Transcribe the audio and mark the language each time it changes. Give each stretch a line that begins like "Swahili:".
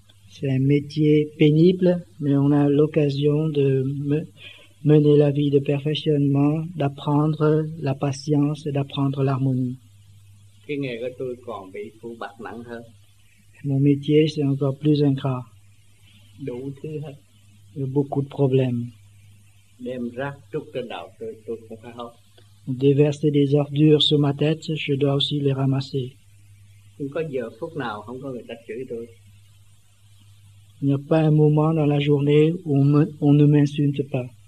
French: C'est un métier pénible, mais on a l'occasion de mener la vie de perfectionnement, d'apprendre la patience et d'apprendre l'harmonie.
Vietnamese: Cái nghề của tôi còn bị phụ bạc nặng hơn.
French: Mon métier, c'est encore plus ingrat.
Vietnamese: Đủ thứ hết.
French: beaucoup de problèmes.
Vietnamese: Đem rác trút trên đầu tôi cũng phải học.
French: Déverser des ordures sur ma tête, je dois aussi les ramasser.
Vietnamese: Không có giờ phút nào không có người ta chửi tôi.
French: Il n'y a pas un moment dans la journée où on ne m'insulte pas.